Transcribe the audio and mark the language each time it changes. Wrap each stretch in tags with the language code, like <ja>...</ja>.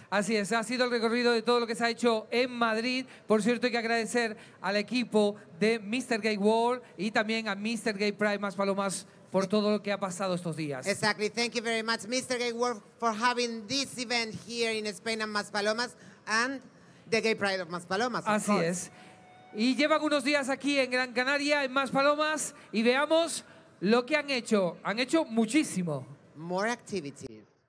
<es>Así es, ha sido el recorrido de todo lo que se ha hecho en Madrid. Por cierto, hay que agradecer al equipo de Mr. Gay World y también a Mr. Gay Pride Maspalomas por todo lo que ha pasado estos días.</es> <en>Exactly. Thank you very much, Mr. Gay World, for having this event here in Spain and Maspalomas and the Gay Pride of Maspalomas, of</en> <es>Así</es> <en>course.</en> <es>Es. Y llevan unos días aquí en Gran Canaria, en Maspalomas, y veamos lo que han hecho. Han hecho muchísimo.</es> <en>More activity.</en>